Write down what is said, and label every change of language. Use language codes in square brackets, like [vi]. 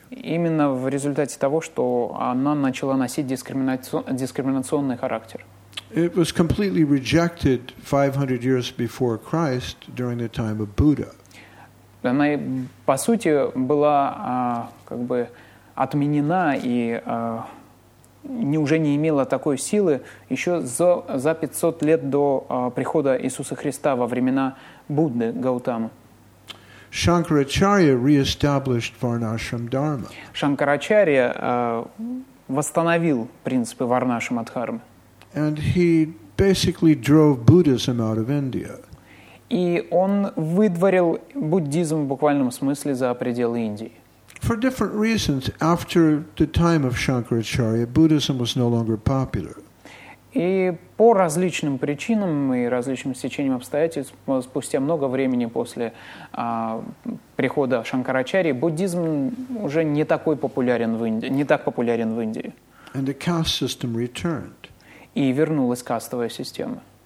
[ru] Именно в результате того, что она начала носить дискриминационный характер. [en] It was completely rejected 500 years before Christ during the time of Buddha. [ru] Она, по сути, была отменена и уже не имела такой силы еще за 500 лет до прихода Иисуса Христа во времена Будды Гаутамы. [en] Shankaracharya re-established Varnashram Dharma. [ru] Shankaracharya восстановил принципы Варнашрама Дхармы. [en] And he basically drove Buddhism out of India. [ru] И он выдворил буддизм в буквальном смысле за пределы Индии. [en] For different reasons, after the time of Shankaracharya, Buddhism was no longer popular. [ru] И по различным причинам и различным стечениям обстоятельств, спустя много времени после прихода Шанкарачарьи, буддизм уже не такой популярен в Индии, не так популярен в Индии. [en] And the caste system returned. [ru] И вернулась кастовая система.